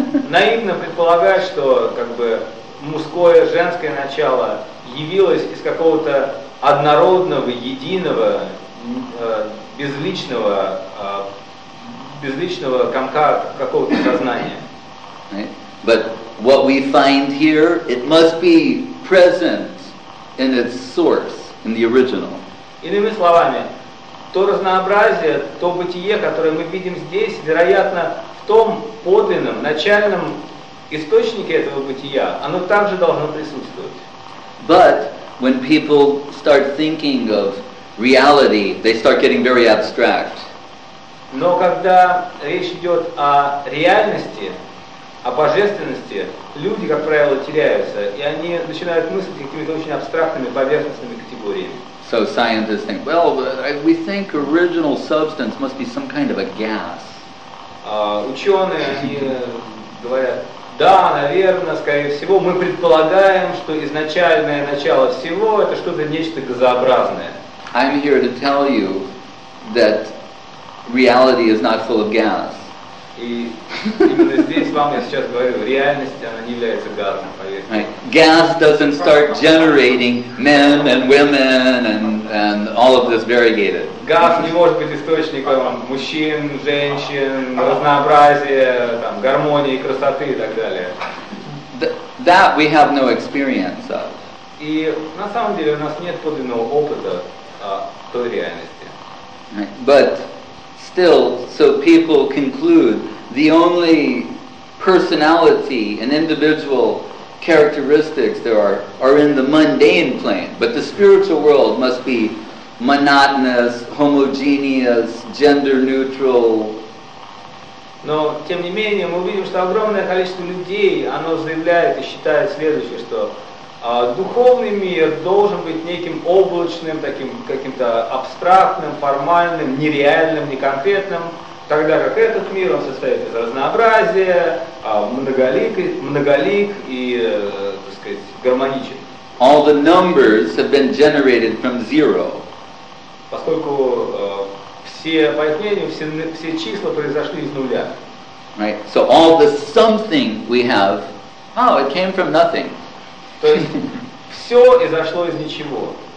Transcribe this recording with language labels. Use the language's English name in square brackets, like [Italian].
[Russian] Наивно предполагать, что как бы мужское, женское начало явилось из какого-то однородного, единого, безличного комка какого-то сознания. [English] But what we find here, it must be present in its source, in the original. [Russian] Иными словами, то разнообразие, то бытие, которое мы видим здесь, вероятно, в том подлинном, начальном источнике этого бытия, оно также должно присутствовать. [English] But when people start thinking of reality, they start getting very abstract. [Russian] Но когда речь идет о реальности, о божественности, люди, как правило, теряются, и они начинают мыслить какими-то очень абстрактными, поверхностными категориями. [English] So scientists think, well, we think original substance must be some kind of a gas. [Russian] Ученые говорят, да, наверное, скорее всего, мы предполагаем, что изначальное начало всего — это что-то нечто газообразное. [English] I'm here to tell you that reality is not full of gas. Gas doesn't start generating men and women and all of this variegated. [Russian] Газ не может быть источником мужчин, женщин, разнообразия, там, гармонии, красоты и так далее. [English] That we have no experience of. [Russian] И на самом деле у нас нет подлинного опыта той реальности. [English] But still, so people conclude, the only personality and individual characteristics there are in the mundane plane, but the spiritual world must be monotonous, homogeneous, gender neutral. [Russian] Но тем не менее мы видим, что огромное количество людей оно заявляет и считает следующее, что духовный мир должен быть неким облачным, таким каким-то абстрактным, формальным, нереальным, неконкретным, тогда как этот мир он состоит из разнообразия, многолик и, так сказать, гармоничен. [English] All the numbers have been generated from zero. [Russian] Поскольку все, по их мнению, все числа произошли из нуля. [English] Right. So all the something we have, oh, it came from nothing. [Russian] То есть все изошло из ничего.